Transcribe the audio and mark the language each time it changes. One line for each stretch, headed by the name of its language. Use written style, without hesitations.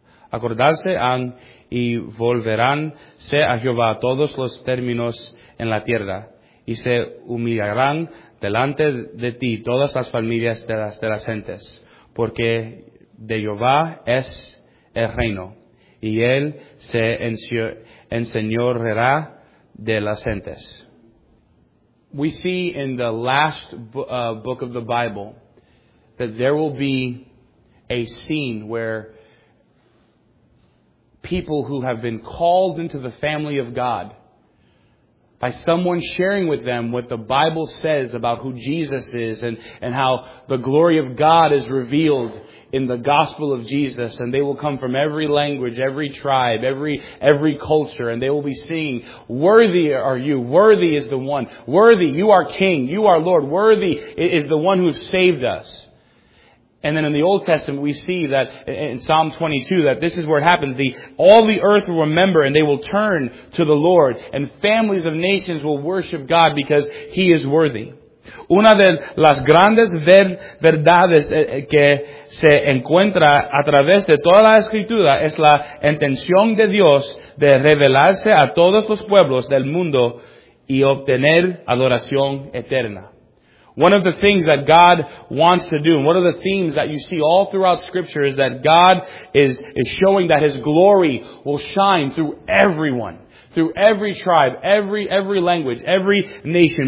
Spanish: Acordarse han y volveránse a Jehová todos los términos en la tierra, y se humillarán delante de ti todas las familias de las gentes, porque de Jehová es el reino, y él se enseñoreará de las gentes.
English: We see in the last book of the Bible that there will be a scene where people who have been called into the family of God by someone sharing with them what the Bible says about who Jesus is and how the glory of God is revealed in the gospel of Jesus. And they will come from every language, every tribe, every culture, and they will be singing, "Worthy are you, worthy is the one, worthy, you are King, you are Lord, worthy is the one who saved us." And then in the Old Testament, we see that in Psalm 22, that this is where it happens. All the earth will remember and they will turn to the Lord. And families of nations will worship God because He is worthy.
Spanish: Una de las grandes verdades que se encuentra a través de toda la Escritura es la intención de Dios de revelarse a todos los pueblos del mundo y obtener adoración eterna.
English: One of the things that God wants to do, and one of the themes that you see all throughout Scripture, is that God is showing that His glory will shine through everyone, through every tribe, every language, every nation.